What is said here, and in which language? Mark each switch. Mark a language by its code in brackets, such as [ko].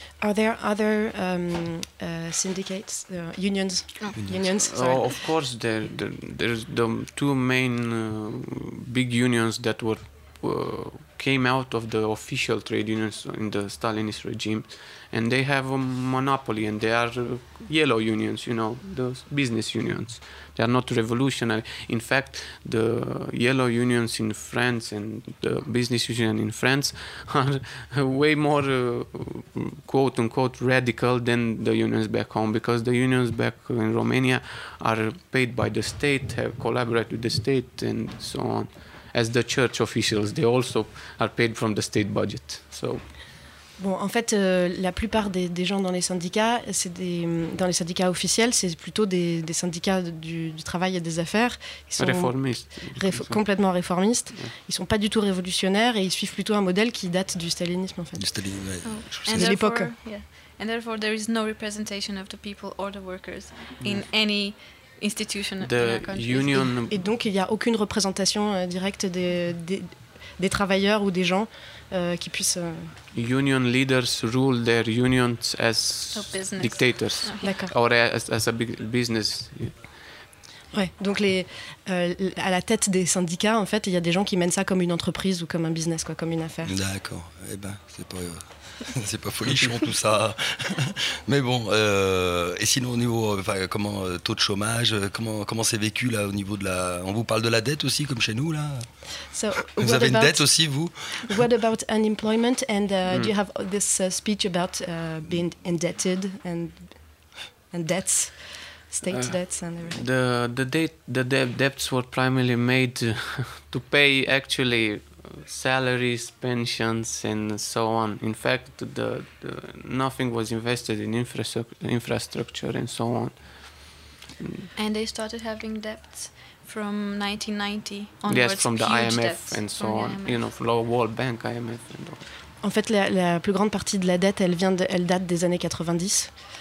[en] Are there other syndicates, unions? Oh. Unions. Unions, of course, there's the two main big unions that were... came out of the official trade unions in the Stalinist regime, and they have a monopoly, and they are yellow unions, you know, those business unions. They are not revolutionary. In fact, the yellow unions in France and the business union in France are way more quote-unquote radical than the unions back home, because the unions back in Romania are paid by the state, have collaborated with the state, and so on. As the church officials, they also are paid from the state budget. So, [fr] bon, en fait, la plupart des gens dans les syndicats, dans les syndicats officiels, c'est plutôt des syndicats du travail et des affaires. Ils sont réformistes. Complètement réformistes. Yeah. Ils sont pas du tout révolutionnaires et ils suivent plutôt un modèle qui date du stalinisme, en fait. Du stalinisme. Oh. De l'époque. [en] Yeah. And therefore, there is no representation of the people or the workers in any. Institution the in our union. [fr] Et donc il n'y a aucune représentation directe des travailleurs ou des gens qui puissent. [en] Union leaders rule their unions as dictators. [fr] D'accord. [en] Or as a big business. [fr] Ouais, donc à la tête des syndicats, en fait, il y a des gens qui mènent ça comme une entreprise ou comme un business, quoi, comme une affaire. D'accord. Eh ben, c'est pas. C'est pas folichon tout ça. Mais bon, et sinon au niveau, comment taux de chômage, comment c'est vécu là au niveau de la... On vous parle de la dette aussi, comme chez nous là. [en] So, [fr] vous avez une dette aussi, vous? [en] What about unemployment and do you have this speech about being indebted and debts, state debts and everything? The debts were primarily made to pay actually... salaries, pensions, and so on. In fact, the nothing was invested in infrastructure and so on. And they started having debts from 1990 onwards. Yes, from the IMF and so on. IMF. You know, from the World Bank, IMF. And all. [fr] En fait, la plus grande partie de la dette, elle date des années 90.